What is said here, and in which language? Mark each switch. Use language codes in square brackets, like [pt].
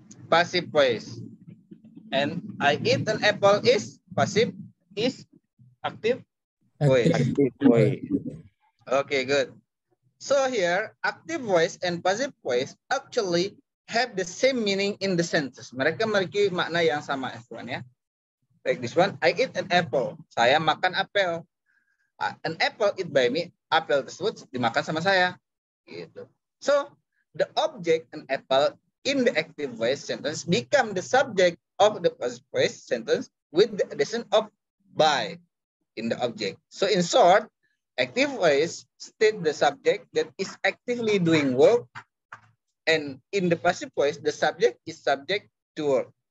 [en] Passive voice. And I eat an apple is passive, is active voice. Active voice. Okay, good. So here, active voice and passive voice actually have the same meaning in the sentence. [id] Mereka memiliki makna yang sama, [en] everyone, ya. Like this one, I eat an apple. [id] Saya makan apel. [en] An apple eat by me. [id] Apel tersebut dimakan sama saya. Gitu. [en] So, the object, an apple, in the active voice sentence become the subject of the passive voice sentence with the addition of by in the object. So, in short, active voice state the subject that is actively doing work, and in the passive voice, the subject is subject to work.